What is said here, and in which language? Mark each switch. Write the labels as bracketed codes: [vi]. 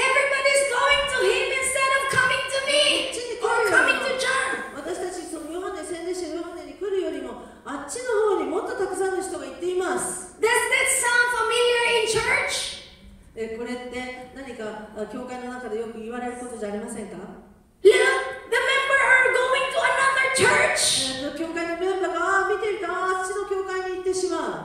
[en] Everybody's going to him instead of coming to me or coming to John. [ja] 私たち、そのヨハネ、洗礼者ヨハネに来るよりも、あっちの方にもっとたくさんの人が行っています。 [en] Does that sound familiar in church? [ja] これって何か教会の中でよく言われることじゃありませんか? [en] Look, the members are going to another church. [ja] 教会のメンバーが見てるとあっちの教会に行ってしまう。